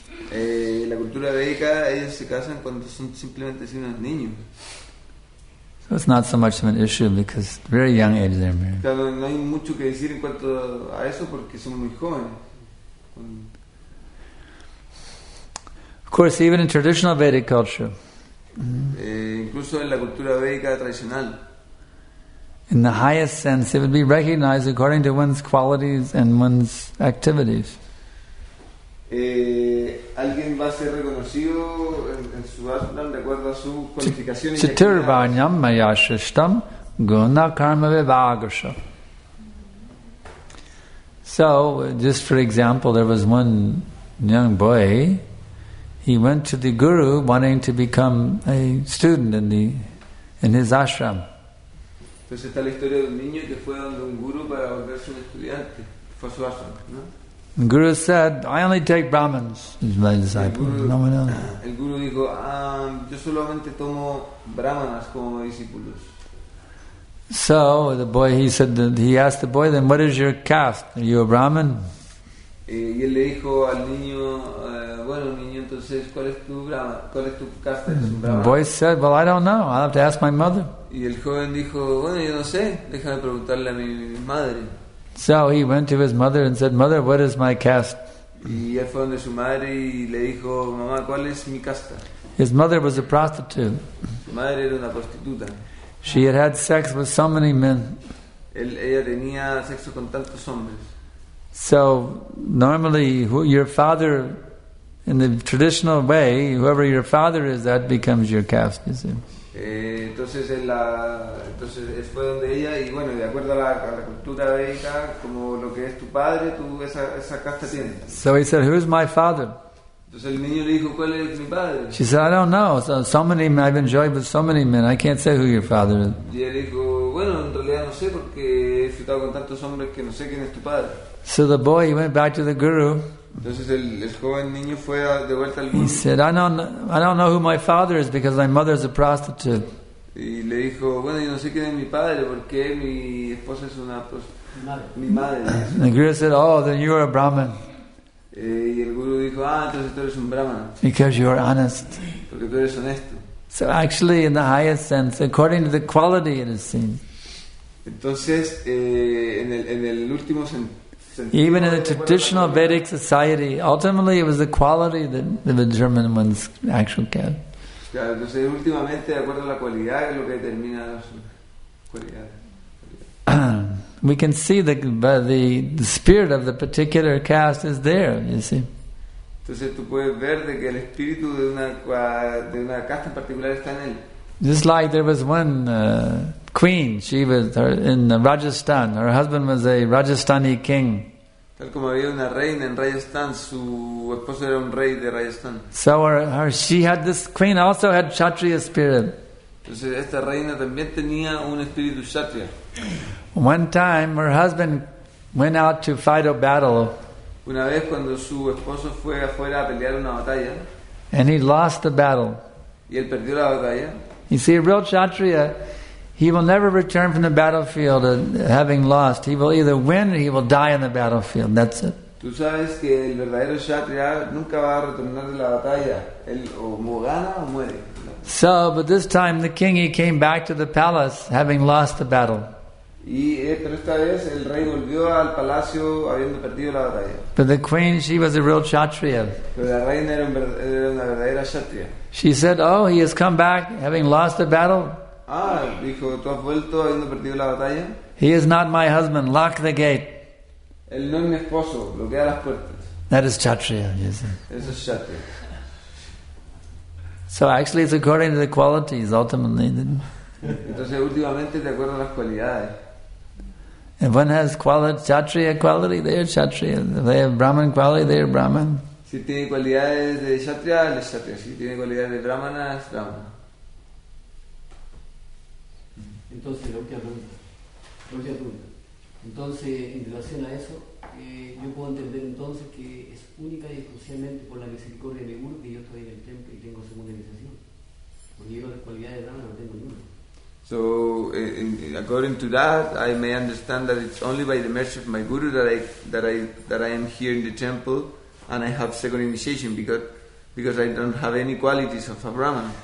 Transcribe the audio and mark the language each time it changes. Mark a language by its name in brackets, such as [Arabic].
[Spanish] La cultura védica, ellos se casan cuando son simplemente unos niños. [English] So it's not so much of an issue because at very young age they're married. [Spanish] Claro, no hay mucho que decir en cuanto a eso porque son muy jóvenes. [English] Of course, even in traditional Vedic culture, [Spanish] incluso en la cultura védica tradicional, [English] in the highest sense, it would be recognized according to one's qualities and one's activities. [Spanish] Alguien va a ser reconocido en su ashram de acuerdo a su cualificación y actividades. [Sanskrit] Chaturvarnyam maya shrishtam guna karma vivagrsha. [English] So, just for example, there was one young boy. He went to the guru wanting to become a student in his ashram. [Spanish] Entonces está la historia de un niño que fue donde un guru para volverse un estudiante, fue a su ashram, ¿no? [English] The guru said, "I only take brahmins." He's my disciple. No one else. [Spanish] El guru dijo, "Yo solamente tomo brahmanas como discípulos." [English] So the boy, he asked the boy, "Then what is your caste? Are you a brahmin?" [Spanish] Y él le dijo al niño, bueno, niño, entonces, ¿cuál es tu caste? [English] The boy said, "Well, I don't know. I'll have to ask my mother." [Spanish] Y el joven dijo, bueno, yo no sé. Déjame preguntarle a mi madre. [English] So he went to his mother and said, "Mother, what is my caste?" [Spanish] Y él fue donde su madre y le dijo, mamá, ¿cuál es mi casta? [English] His mother was a prostitute. [Spanish] Su madre era una prostituta. [English] She had had sex with so many men. [Spanish] Ella tenía sexo con tantos hombres. [English] So normally, your father, in the traditional way, whoever your father is, that becomes your caste. You see. [Spanish] Entonces fue donde ella y bueno, de acuerdo a la cultura védica, como lo que es tu padre, tú esa casta tienes. [English] So he said, "Who's my father?" [Spanish] Entonces el niño le dijo, "¿Cuál es mi padre?" [English] She said, "I don't know. So many men, I've enjoyed with so many men. I can't say who your father is." [Spanish] Y él dijo, "Bueno, en realidad no sé por qué he flotado con tantos hombres que no sé quién es tu padre. [English] So the boy went back to the guru. [Spanish] Entonces el joven niño fue de vuelta al guru. [English] He said, I don't know who my father is because my mother is a prostitute. [Spanish] Y le dijo, bueno, yo no sé quién es mi padre porque mi esposa es una prostituta. Mi madre. [English] And the guru said, oh, then you are a Brahmin. [Spanish] Y el guru dijo, ah, entonces tú eres un Brahman. [English] Because you are honest. [Spanish] Porque tú eres honesto. [English] So actually, in the highest sense, according to the quality it is seen. [Spanish] Entonces, en el último sentido. [English] Even in the traditional Vedic society, ultimately it was the quality that the German ones actually get. [Spanish] Claro, entonces últimamente de acuerdo a la cualidad es lo que determina las cualidades. [English] We can see the spirit of the particular caste is there, you see. [Spanish] Entonces tú puedes ver de que el espíritu de una casta en particular está en él. [English] Just like there was one queen, she was in Rajasthan. Her husband was a Rajasthani king. [Spanish] Tal como había una reina en Rajasthan, su esposo era un rey de Rajasthan. [English] So this queen also had Kshatriya spirit. [Spanish] Entonces esta reina también tenía un espíritu Kshatriya. [English] One time, her husband went out to fight a battle. [Spanish] Una vez cuando su esposo fue afuera a pelear una batalla. [English] And he lost the battle. [Spanish] Y él perdió la batalla. [English] You see, a real Kshatriya, he will never return from the battlefield having lost. He will either win or he will die in the battlefield. That's it. [Spanish] Tú sabes que el verdadero Kshatriya nunca va a retornar de la batalla. Él o gana o muere. [English] So, but this time the king, he came back to the palace having lost the battle. [Spanish] Pero esta vez el rey volvió al palacio habiendo perdido la batalla. [English] But the queen, she was a real Kshatriya. [Spanish] Pero la reina era una verdadera Kshatriya. [English] She said, oh, he has come back having lost the battle. [Spanish] Ah, dijo, tú has vuelto habiendo perdido la batalla. [English] He is not my husband, lock the gate. [Spanish] Él no es mi esposo, bloquea las puertas. [English] That is Kshatriya, you see. [Spanish] Eso es Kshatriya. [English] So actually it's according to the qualities ultimately. [Spanish] Entonces últimamente de acuerdo a las cualidades. [English] If one has quality, Kshatriya quality, they are Kshatriya. If they have Brahman quality, they are Brahman. [Spanish] Si tiene cualidades de Kshatriya, él es Kshatriya. Si tiene cualidades de Brahmana, es Brahman. Entonces, la última pregunta. Entonces, en relación a eso, yo puedo entender entonces que es única y exclusivamente por la misericordia de Guru que yo estoy en el templo y tengo segunda iniciación. Porque yo las cualidades de Brahman no tengo ninguna. [English] So, according to that, I may understand that it's only by the mercy of my guru that I am here in the temple, and I have second initiation because I don't have any qualities of a Brahman.